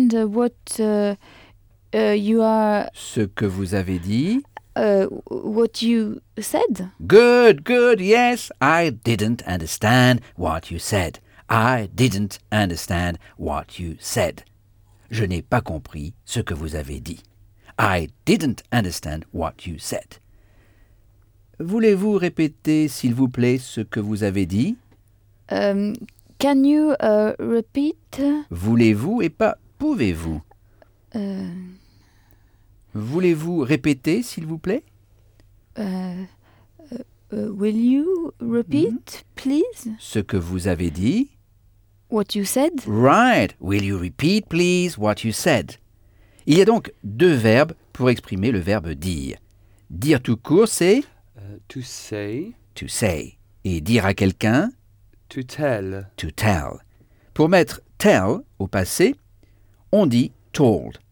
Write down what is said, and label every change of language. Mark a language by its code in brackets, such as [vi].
[en] I didn't understand what you are... [fr] Ce que vous avez dit. [en] What you said. Good. Yes, I didn't understand what you said. I didn't understand what you said. [fr] Je n'ai pas compris ce que vous avez dit. [en] I didn't understand what you said. [fr] Voulez-vous répéter, s'il vous plaît, ce que vous avez dit? [en] Can you repeat? [fr] Voulez-vous et pas pouvez-vous? Voulez-vous répéter, s'il vous plaît? [en] Will you repeat, please? [fr] Ce que vous avez dit? [en] What you said? Right. Will you repeat, please, what you said? [fr] Il y a donc deux verbes pour exprimer le verbe dire. Dire tout court, c'est... [en] To say. To say. [fr] Et dire à quelqu'un... [en] To tell. To tell. [fr] Pour mettre tell au passé, on dit told.